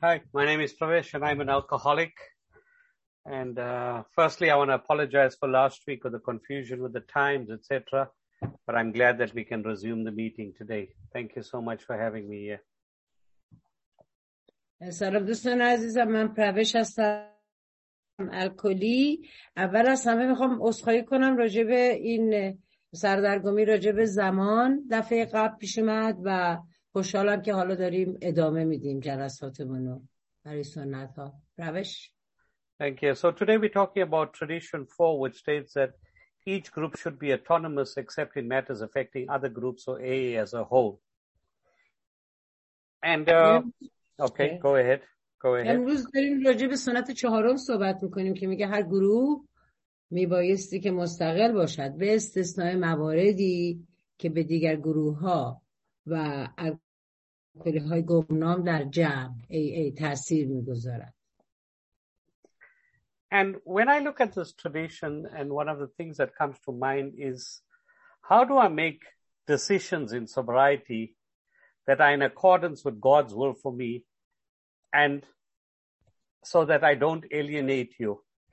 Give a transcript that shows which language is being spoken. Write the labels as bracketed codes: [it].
[en] Hi, my name is Pravesh and I'm an alcoholic. And firstly, I want to apologize for last week with the confusion with the times, etc. But I'm glad that we can resume the meeting today. Thank you so much for having me here. [fa] سلام دوستان عزیزم، من پرویش هستم، الکلی. اول از همه میخوام عذرخواهی کنم راجع به این سردرگمی، راجع به زمان دفعه قبل پیش اومد و خوشحالم که حالا داریم ادامه میدیم جلساتمونو برای سنت ها. روش. [en] Thank you. So today we're talking about tradition 4, which states that each group should be autonomous except in matters affecting other groups or AA as a whole. And okay, go ahead. [fa] امروز داریم راجع به سنت چهارم صحبت میکنیم که میگه هر گروه میبایستی که مستقل باشد به استثناء مواردی که به دیگر گروه ها و الکلی های گمنام در جمع AA تأثیر میگذارد. [en] And when I look at this tradition, and one of the things that comes to mind is, how do I make decisions in sobriety that are in accordance with God's will for me, and so that I don't alienate you?